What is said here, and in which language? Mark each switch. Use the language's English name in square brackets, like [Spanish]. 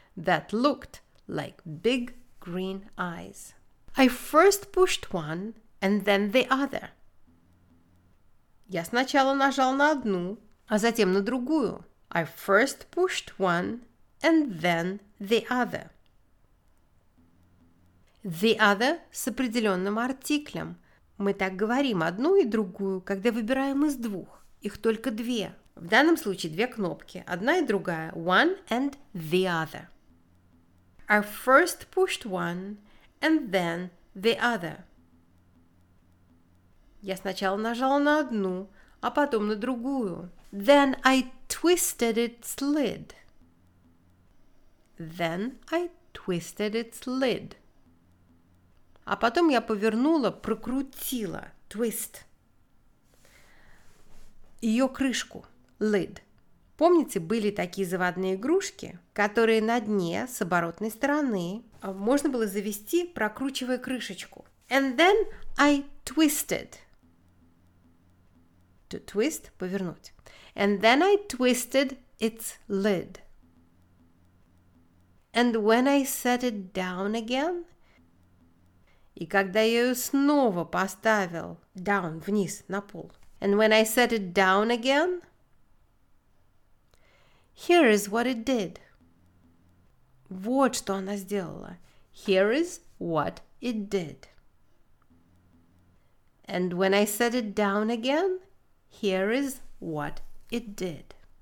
[English] That looked like big green eyes. I first pushed one and then the other. [Russian] Я сначала нажал на одну, а затем на другую. [English] I first pushed one and then the other. [Russian] The other с определенным артиклем. Мы так говорим одну и другую, когда выбираем из двух. Их только две. В данном случае две кнопки. Одна и другая. [English] One and the other. I first pushed one and then the other. [Russian] Я сначала нажала на одну, а потом на другую. [English] Then I twisted its lid. Then I twisted its lid. [Russian] А потом я повернула, прокрутила, twist, ее крышку, lid. Помните, были такие заводные игрушки, которые на дне, с оборотной стороны, можно было завести, прокручивая крышечку. [English] And then I twisted. To twist, повернуть. And then I twisted its lid. And when I set it down again... [Russian] И когда я ее снова поставил down, вниз, на пол. [English] And when I set it down again, here is what it did. [Russian] Вот что она сделала. [English] Here is what it did. And when I set it down again, here is what it did.